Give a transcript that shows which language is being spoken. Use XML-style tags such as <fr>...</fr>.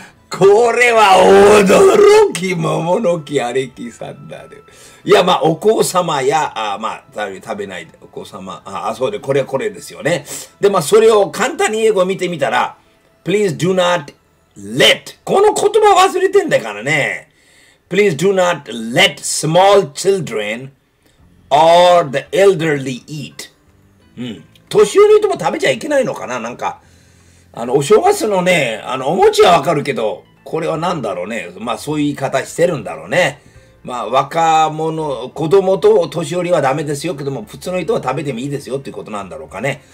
<ja>これは驚き、桃の木アレキサンダーで。いや、まあ、お子様や、食べないで、お子様、そうで、これはこれですよね。で、まあ、それを簡単に英語を見てみたら、</ja> <en>Please do not let.</en> <ja>この言葉忘れてんだからね。</ja> <en>Please do not let small children or the elderly eat.</en> <ja>年寄りとも食べちゃいけないのかな、なんか。お正月のね、お餅はわかるけど、これは何だろうね。まあ、そういう言い方してるんだろうね。まあ、若者、子供とお年寄りはダメですよけども、普通の人は食べてもいいですよっていうことなんだろうかね。</ja>